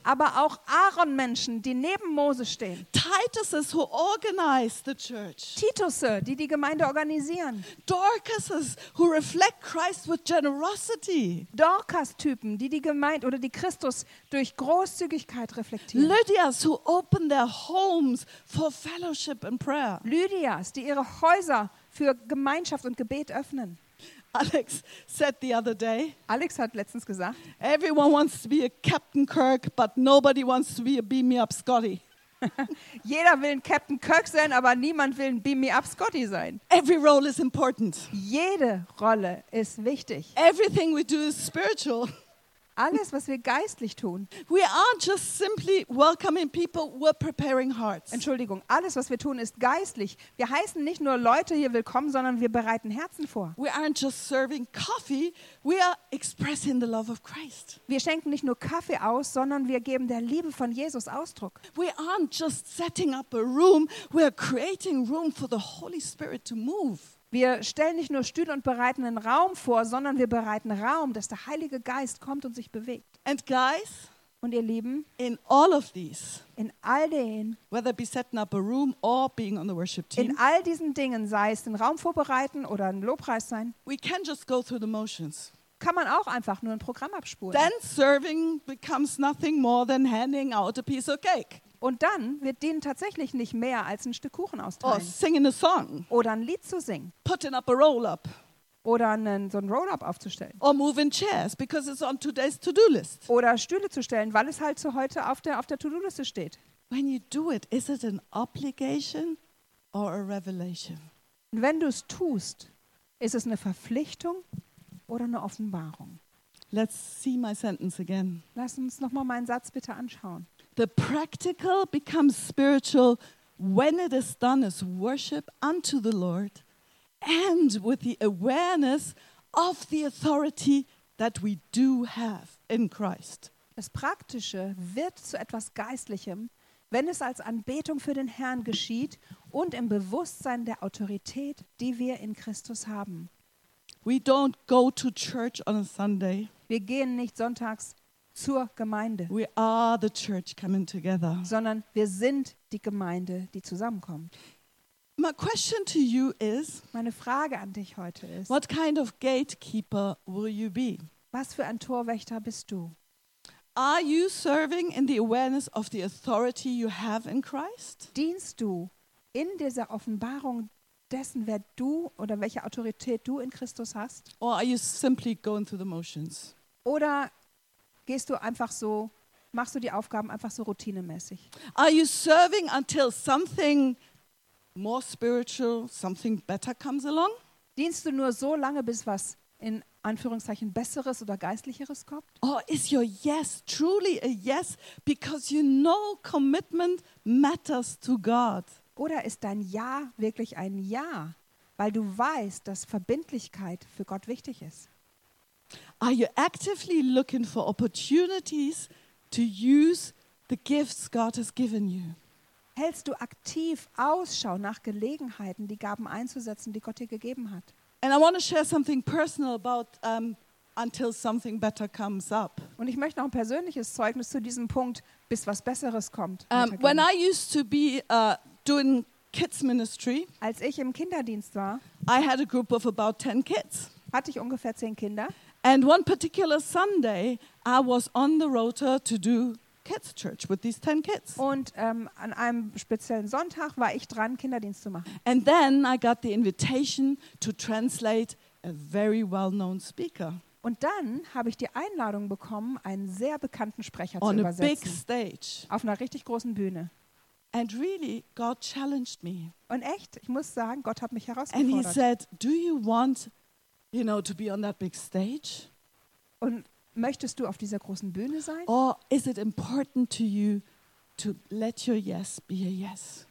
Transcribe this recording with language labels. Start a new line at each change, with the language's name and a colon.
German: Aber auch Aaron Menschen, die neben Mose stehen.
English: Tituses who organize the church.
German: Titusse, die Gemeinde organisieren.
English: Dorcases who reflect Christ with generosity.
German: Dorcas Typen, die Gemeinde oder die Christus durch Großzügigkeit reflektieren.
English: Lydias who open their homes for fellowship and prayer.
German: Lydias, die ihre Häuser für Gemeinschaft und Gebet öffnen.
English: Alex said the other day.
German: Alex hat letztens gesagt.
English: Everyone wants to be a Captain Kirk, but nobody wants to be a Beam Me Up Scotty.
German: Jeder will ein Captain Kirk sein, aber niemand will ein Beam Me Up Scotty sein.
English: Every role is important.
German: Jede Rolle ist wichtig.
English: Everything we do is spiritual.
German: Alles, was wir geistlich tun.
English: We aren't just simply welcoming people, we're preparing hearts.
German: Entschuldigung, alles, was wir tun, ist geistlich. Wir heißen nicht nur Leute hier willkommen, sondern wir bereiten Herzen vor.
English: We aren't just serving coffee, we are expressing the love of Christ.
German: Wir schenken nicht nur Kaffee aus, sondern wir geben der Liebe von Jesus Ausdruck.
English: We aren't just setting up a room, we are creating room for the Holy Spirit to move.
German: Wir stellen nicht nur Stühle und bereiten einen Raum vor, sondern wir bereiten Raum, dass der Heilige Geist kommt und sich bewegt.
English: And guys,
German: und ihr Lieben,
English: in all of these,
German: in all den,
English: whether it be setting up a room or being on the worship team,
German: in all diesen Dingen, sei es den Raum vorbereiten oder ein Lobpreis sein,
English: we can just go through the motions.
German: Kann man auch einfach nur ein Programm abspulen.
English: Then serving becomes nothing more than handing out a piece of cake.
German: Und dann wird denen tatsächlich nicht mehr als ein Stück Kuchen austeilen.
English: Or singing a song.
German: Oder ein Lied zu singen.
English: Putting up a roll-up.
German: Oder einen, so ein Roll-up aufzustellen.
English: Or moving chairs, because it's on today's to-do list.
German: Oder Stühle zu stellen, weil es halt so heute auf der To-Do-Liste steht.
English: When you do it, is it an obligation or a revelation?
German: Und wenn du es tust, ist es eine Verpflichtung oder eine Offenbarung?
English: Let's see my sentence again.
German: Lass uns nochmal meinen Satz bitte anschauen.
English: The practical becomes spiritual when it is done as worship unto the Lord and with the awareness of the authority that we do have in Christ.
German: Das Praktische wird zu etwas Geistlichem, wenn es als Anbetung für den Herrn geschieht und im Bewusstsein der Autorität, die wir in Christus haben.
English: We don't go to church on a Sunday.
German: Wir gehen nicht sonntags zur Gemeinde.
English: We are the church coming together.
German: Sondern wir sind die Gemeinde, die zusammenkommt.
English: My question to you is,
German: meine Frage an dich heute ist,
English: what kind of gatekeeper will you be?
German: Was für ein Torwächter bist du?
English: Are you serving in the awareness of the authority you have in Christ?
German: Dienst du in dieser Offenbarung dessen, wer du oder welche Autorität du in Christus hast?
English: Or are you simply going through the motions?
German: Oder gehst du einfach so, machst du die Aufgaben einfach so routinemäßig?
English: Are you serving until something more spiritual, something better comes along?
German: Dienst du nur so lange, bis was in Anführungszeichen Besseres oder Geistlicheres kommt?
English: Or is your yes truly a yes because you know commitment matters to God?
German: Oder ist dein Ja wirklich ein Ja, weil du weißt, dass Verbindlichkeit für Gott wichtig ist?
English: Are you actively looking for opportunities to use the gifts God has given you?
German: Hältst du aktiv Ausschau nach Gelegenheiten, die Gaben einzusetzen, die Gott dir gegeben hat?
English: And I want to share something personal about until something better comes up.
German: Und ich möchte noch ein persönliches Zeugnis zu diesem Punkt, bis was Besseres kommt.
English: When I used to be doing kids ministry,
German: als ich im Kinderdienst war,
English: I had a group of about 10 kids.
German: Hatte ich ungefähr 10 Kinder.
English: And one particular Sunday, I was on the rota to do kids church with these 10 kids.
German: Und an einem speziellen Sonntag war ich dran, Kinderdienst zu machen.
English: And then I got the invitation to translate a very well-known speaker.
German: Und dann habe ich die Einladung bekommen, einen sehr bekannten Sprecher zu übersetzen.
English: On a big stage.
German: Auf einer richtig großen Bühne.
English: And really, God challenged me.
German: Und echt, ich muss sagen, Gott hat mich herausgefordert.
English: And he said, do you want, you know, to be on that big stage?
German: Und möchtest du auf dieser großen Bühne sein?
English: Or is it important to you to let your yes be a yes?